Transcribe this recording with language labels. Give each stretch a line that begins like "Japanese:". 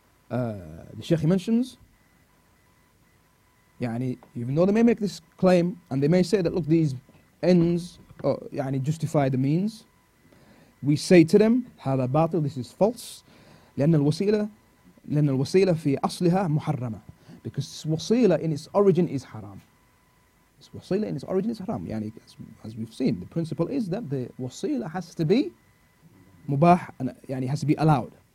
English: The Sheikh, he mentions, yani, even though they may make this claim, and they may say that, look, these ends yani, justify the means, we say to them,
Arabic: هذا باطل,
English: this is false,
Arabic: لأن الوسيلة لأن الوسيلة في أصلها محرمة.
English: Because wasila in its origin is haram. Wasila in its origin is haram. يعني as we've seen, the principle is that the wasila has to be مباح, يعني has to be allowed.